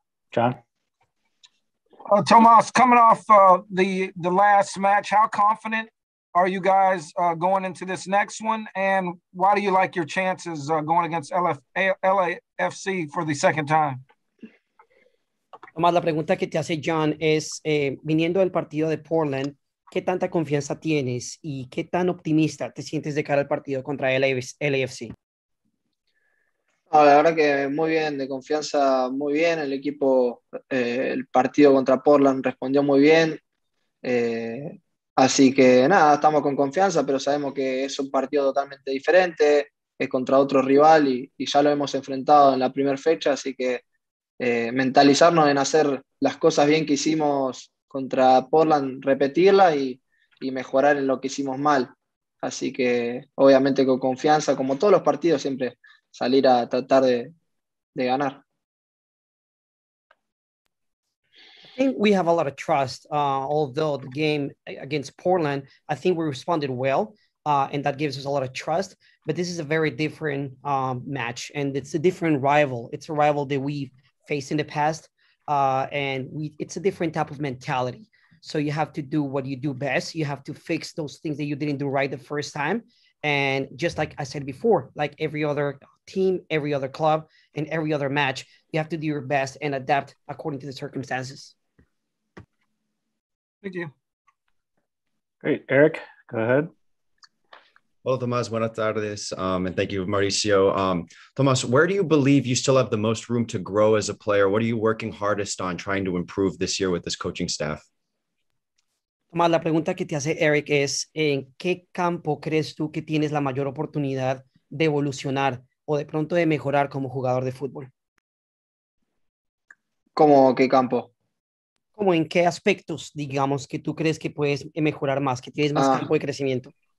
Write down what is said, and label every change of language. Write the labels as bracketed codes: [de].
[en] John? Tomás, coming off the last match, how confident are you guys going into this next one? And why do you like your chances going against LAFC for the second time? [es] Tomás, la pregunta que te hace John es, viniendo del partido de Portland, ¿qué tanta confianza tienes y qué tan optimista te sientes de cara al partido contra LAFC? La verdad que muy bien, de confianza muy bien. El equipo, el partido contra Portland respondió muy bien. Así que nada, estamos con confianza, pero sabemos que es un partido totalmente diferente, es contra otro rival y ya lo hemos enfrentado en la primera fecha, así que mentalizarnos en hacer las cosas bien que hicimos contra Portland, repetirla y mejorar en lo que hicimos mal. Así que obviamente con confianza, como todos los partidos, siempre salir a tratar de ganar. [en] I think we have a lot of trust, although the game against Portland, I think we responded well, and that gives us a lot of trust. But this is a very different match, and it's a different rival. It's a rival that we've faced in the past. It's a different type of mentality. So you have to do what you do best. You have to fix those things that you didn't do right the first time. And just like I said before, like every other team, every other club, and every other match, you have to do your best and adapt according to the circumstances. Thank you. Great. Eric, go ahead. Well, Tomás, [es] buenas tardes, [en] and thank you, Mauricio. Tomás, where do you believe you still have the most room to grow as a player? What are you working hardest on trying to improve this year with this coaching staff? [es] Tomás, la pregunta que te hace Eric es, ¿en qué campo crees tú que tienes la mayor oportunidad de evolucionar o de pronto de mejorar como jugador de fútbol? ¿Cómo, qué campo? ¿Cómo, en qué aspectos, digamos, que tú crees que puedes mejorar más, que tienes más campo de crecimiento?